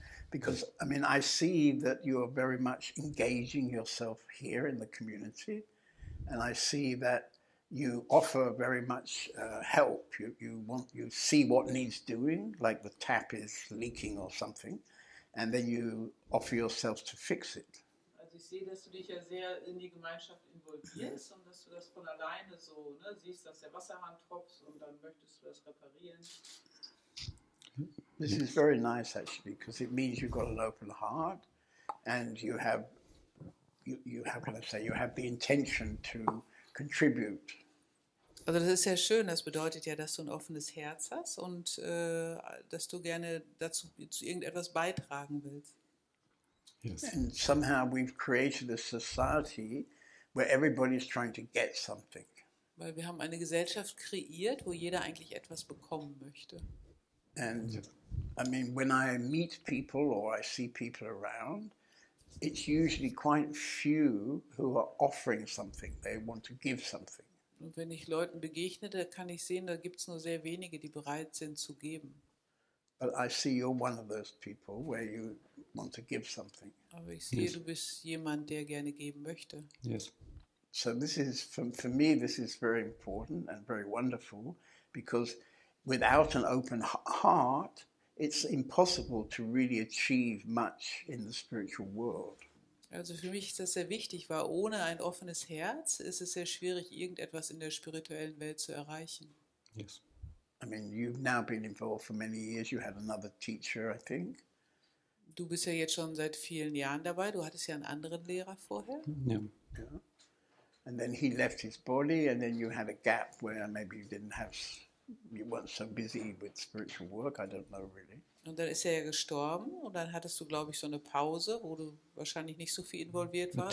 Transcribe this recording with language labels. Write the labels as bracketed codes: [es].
[en] Because, I mean, I see that you are very much engaging yourself here in the community, and I see that you offer very much help. You see what needs doing, like the tap is leaking or something, and then you offer yourself to fix it. [de] Also ich sehe, dass du dich ja sehr in die Gemeinschaft involvierst und dass du das von alleine so, ne, siehst, dass der Wasserhahn tropft und dann möchtest du das reparieren. [en] This is very nice actually, because it means you've got an open heart and you have the intention to contribute. [de] Also das ist ja schön, das bedeutet ja, dass du ein offenes Herz hast und dass du gerne dazu zu irgendetwas beitragen willst. [en] Yes. And somehow we've created a society where everybody's trying to get something. [de] Weil wir haben eine Gesellschaft kreiert, wo jeder eigentlich etwas bekommen möchte. [en] And I mean, when I meet people or I see people around, it's usually quite few who are offering something. They want to give something. [de] Und wenn ich Leuten begegne, da kann ich sehen, da gibt's nur sehr wenige, die bereit sind zu geben. [en] But I see you're one of those people where you want to give something. [de] Aber ich sehe, du bist jemand, der gerne geben möchte. [en] Yes. So this is for me, this is very important and very wonderful, because without an open heart, it's impossible to really achieve much in the spiritual world. [de] Also für mich ist das sehr wichtig, weil ohne ein offenes Herz ist es sehr schwierig, irgendetwas in der spirituellen Welt zu erreichen. [en] Yes. I mean, you've now been involved for many years. You had another teacher, I think. [de] Du bist ja jetzt schon seit vielen Jahren dabei. Du hattest ja einen anderen Lehrer vorher. [en] Yeah. And then he left his body, and then you had a gap where maybe you weren't so busy with spiritual work. I don't know really. [de] Und dann ist er ja gestorben, und dann hattest du, glaube ich, so eine Pause, wo du wahrscheinlich nicht so viel involviert warst.